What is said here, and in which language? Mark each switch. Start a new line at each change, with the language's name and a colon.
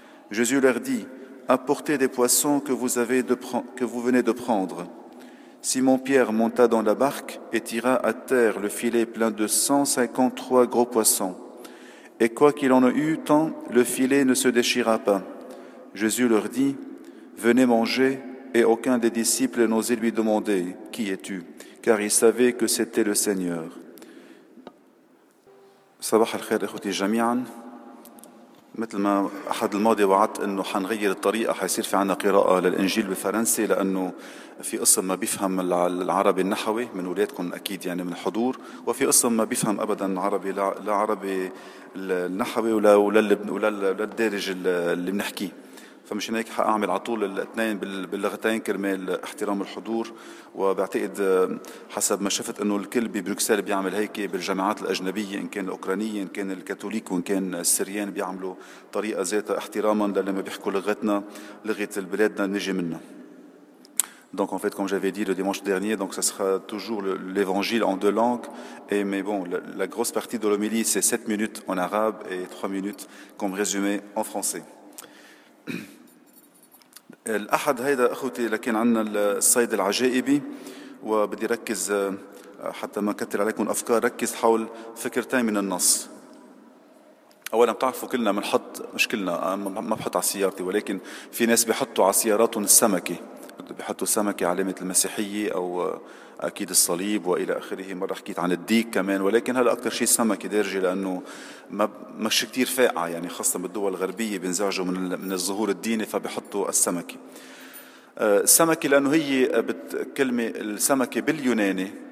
French: Jésus leur dit: « Apportez des poissons que vous venez de prendre. » Simon-Pierre monta dans la barque et tira à terre le filet plein de 153 gros poissons. Et quoi qu'il en eût tant, le filet ne se déchira pas. Jésus leur dit: « Venez manger. » Et aucun des disciples n'osait lui demander: « Qui es-tu ? » car il savait que c'était le Seigneur.
Arabic: صباح الخير اخوتي جميعا. مثل ما احد الماضي وعدت انه حنغير الطريقه، حيصير في عنا قراءه للانجيل بالفرنسي، لانه في قسم ما بيفهم العربي النحوي من ولادكم اكيد يعني من الحضور، وفي قسم ما بيفهم ابدا عربي، لا عربي النحوي ولا الدارج اللي بنحكيه. فمشان هيك حاعمل على طول الاثنين باللغتين كرمال احترام الحضور. وبعتقد حسب ما شفت انه الكل ببروكسل بيعمل هيك بالجامعات الاجنبيه، ان كان الاوكرانيه ان كان الكاثوليك وان كان السريان، بيعملوا طريقه ذاتها احتراما للي ما بيحكوا لغتنا، لغه بلادنا نجي منها.
French: Donc en fait, comme j'avais dit le dimanche dernier, donc ça sera toujours l'évangile en deux langues. Et mais bon, la grosse partie de l'homélie, c'est 7 minutes en arabe et 3 minutes comme résumé en français.
Arabic: الأحد هيدا أخوتي لكن عندنا الصيد العجائبي وبدي ركز حتى ما كتر عليكم أفكار ركز حول فكرتين من النص. أولا بتعرفوا كلنا بنحط مش كلنا ما بحط على سيارتي ولكن في ناس بيحطوا على سياراتهم السمكة بيحطوا سمكة علامة المسيحية أو أكيد الصليب وإلى آخره مرة حكيت عن الديك كمان ولكن هلا أكتر شيء السمكة دارجة لأنه ما مش كتير فاقعة يعني خاصة بالدول الغربية بينزعجوا من الظهور الديني فبيحطوا السمكة السمكة لأنه هي كلمة السمكة باليوناني